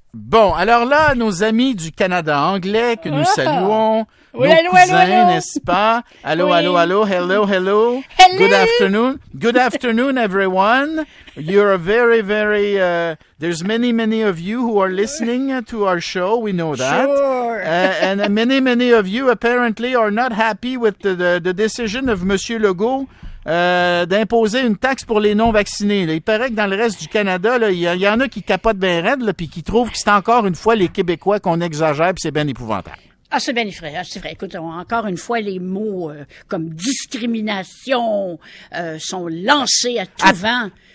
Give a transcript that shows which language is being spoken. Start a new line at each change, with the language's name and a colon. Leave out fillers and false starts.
French: Bon, alors là, nos amis du Canada anglais que nous saluons, nos cousins, n'est-ce pas? Allô, hello.
English: Hello. Good afternoon, everyone. You're a very, very, there's many of you who are listening to our show. We know that. Sure. And many of you apparently are not happy with the decision of Monsieur Legault.
French: D'imposer une taxe pour les non-vaccinés. Là, il paraît que dans le reste du Canada, il y en a qui capotent bien raide puis qui trouvent que c'est encore une fois les Québécois qu'on exagère puis c'est bien épouvantable. Ah, c'est bien effrayant, c'est vrai. Écoute, encore une fois, les mots comme discrimination sont lancés à tout vent.